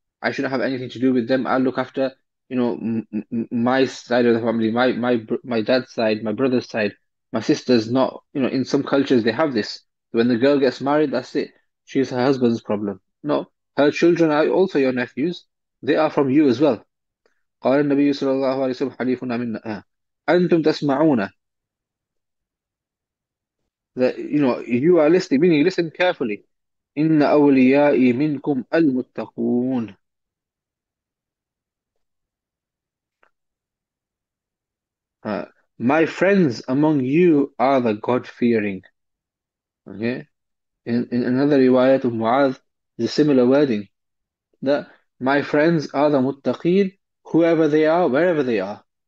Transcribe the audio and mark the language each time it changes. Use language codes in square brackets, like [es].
[en] I shouldn't have anything to do with them. I'll look after you know, my side of the family, my dad's side, my brother's side, my sister's not, you know, in some cultures they have this. When the girl gets married, that's it. She's her husband's problem. No, her children are also your nephews. They are from you as well. [ar] قال النبي صلى الله عليه وسلم حليفنا منا أنتم تسمعون [en] that, you know, you are listening, meaning listen carefully. [ar] إن أوليائي منكم المتقون [en] my friends among you are the God-fearing. Okay? In another riwayat of Mu'adh, the similar wording, that my friends are the muttaqeen, whoever they are, wherever they are.